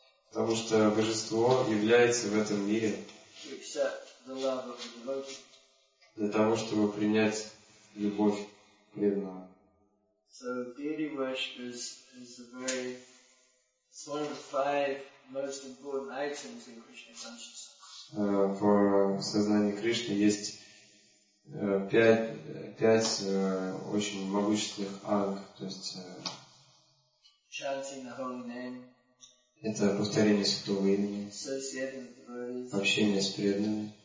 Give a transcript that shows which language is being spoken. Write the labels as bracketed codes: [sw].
[ru] Потому что божество является в этом мире. [en] To accept the love of the devotee. [ru] Для того, чтобы принять любовь преданного. [en] So deity worship is a very, it's one of the five most important items in Krishna consciousness. [ru] В сознании Кришны есть пять очень могущественных анг, то есть. [en] Chanting the holy name. [ru] Это повторение святого имени. [en] Associating with devotees. [ru] Общение с преданными.